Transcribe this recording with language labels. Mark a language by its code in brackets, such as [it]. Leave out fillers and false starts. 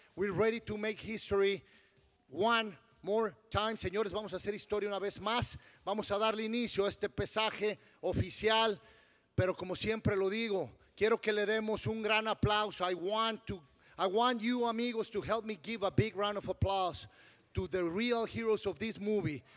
[en] We're ready to make history one more time. [es] Señores, vamos a hacer historia una vez más. Vamos a darle inicio a este pesaje oficial. Pero como siempre lo digo, quiero que le demos un gran aplauso. [en] I want you, amigos, to help me give a big round of applause to the real heroes of this movie.